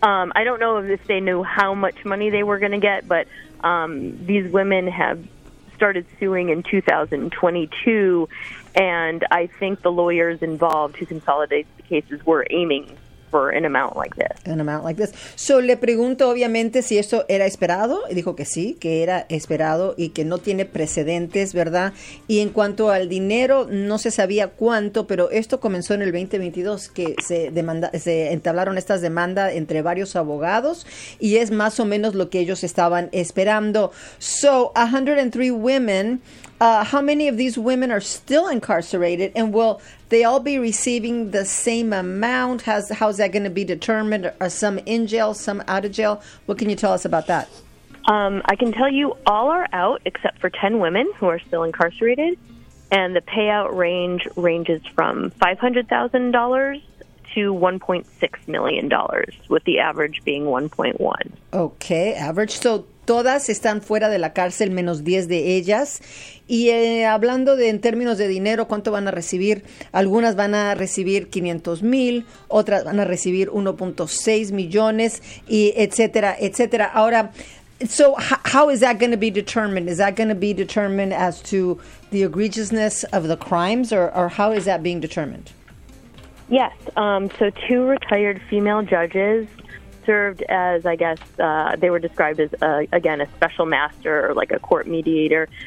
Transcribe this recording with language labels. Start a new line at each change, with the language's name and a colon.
English: I don't know if they knew how much money they were going to get, but these women have started suing in 2022, and I think the lawyers involved who consolidate the cases were aiming for an amount like this.
Spanish: So, le pregunto, obviamente, si eso era esperado. Y dijo que sí, que era esperado y que no tiene precedentes, ¿verdad? Y en cuanto al dinero, no se sabía cuánto, pero esto comenzó en el 2022, que se entablaron estas demandas entre varios abogados, y es más o menos lo que ellos estaban esperando.
English: So, 103 women. How many of these women are still incarcerated, and will they all be receiving the same amount? How's that going to be determined? Are some in jail, some out of jail? What can you tell us about that? I can tell you all are out except for 10 women who are still incarcerated, and the payout ranges from $500,000 to $1.6 million, with the average being 1.1. Okay, average.
Spanish: So todas están fuera de la cárcel, menos 10 de ellas. Y hablando de en términos de dinero, ¿cuánto van a recibir? Algunas van a recibir 500 mil, otras van a recibir 1.6 millones, y etcétera, etcétera.
English: Ahora, so how is that going to be determined? Is that going to be determined as to the egregiousness of the crimes, or how is that being determined? Yes. So two retired female judges served as, I guess, they were described as, again, a special master or like a court mediator.